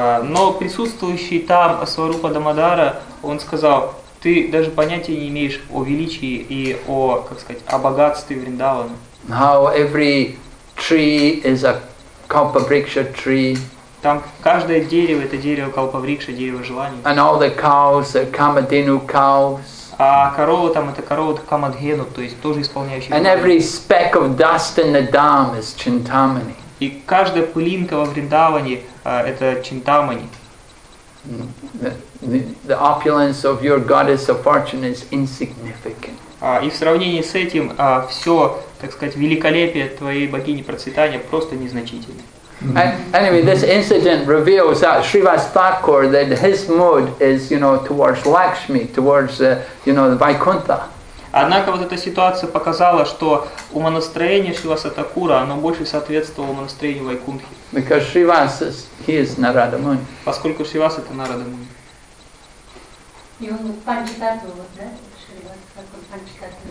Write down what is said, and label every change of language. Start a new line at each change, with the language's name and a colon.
Russian: Но присутствующий там Сварупа Дамодара, он сказал, ты даже понятия не имеешь о величии и о, как сказать, о богатстве Вриндавана.
English: How every tree is a Kalpavriksha tree.
Russian: Там каждое дерево это дерево Kalpavriksha, дерево желаний.
English: And all the cows are Kamadhenu cows.
Russian: А корова там это корова Kamadhenu, то есть тоже исполняющая.
English: And every speck of dust in the dam is Chintamani.
Russian: И каждая пылинка во Вриндаване это Чинтамани.
English: The opulence of your goddess of fortune is insignificant.
Russian: И в сравнении с этим все, так сказать, великолепие твоей богини процветания просто незначительно.
English: Anyway, this incident reveals that Srivast Thakur, that his mood is, you know, towards Lakshmi, towards, you know, the Vaikuntha.
Russian: Однако вот эта ситуация показала, что умонастроение Шриваса Такура, оно больше соответствовало настроению Вайкунтхи.
English: Because Shrivas is, he is Narada Muni.
Russian: Поскольку Шривас это Нарада Муни. И он Панчататва, да? Шривас, как он Панчататва.